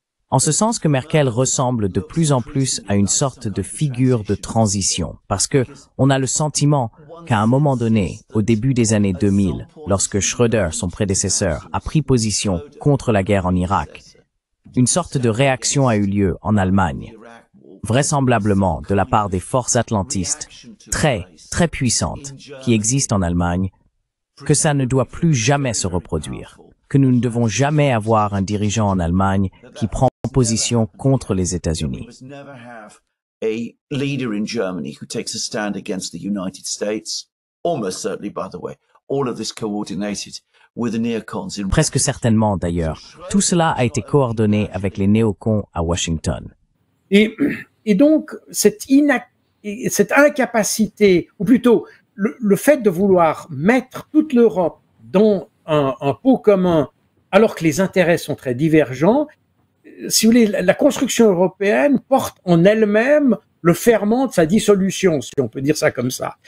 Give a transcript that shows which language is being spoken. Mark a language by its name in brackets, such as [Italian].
[French] En ce sens que Merkel ressemble de plus en plus à une sorte de figure de transition, parce que on a le sentiment qu'à un moment donné, au début des années 2000, lorsque Schröder, son prédécesseur, a pris position contre la guerre en Irak, une sorte de réaction a eu lieu en Allemagne, vraisemblablement de la part des forces atlantistes très, très puissantes qui existent en Allemagne, que ça ne doit plus jamais se reproduire, que nous ne devons jamais avoir un dirigeant en Allemagne qui prend position contre les États-Unis. [English] A leader in Germany who takes a stand against the United States, almost certainly, by the way, all of this coordinated with the neocons in... [French] Presque certainement, d'ailleurs. Tout cela a été coordonné avec les néocons à Washington. Et donc, cette incapacité, ou plutôt le fait de vouloir mettre toute l'Europe dans un pot commun, alors que les intérêts sont très divergents, si vous voulez, la construction européenne porte en elle-même le ferment de sa dissolution, si on peut dire ça comme ça.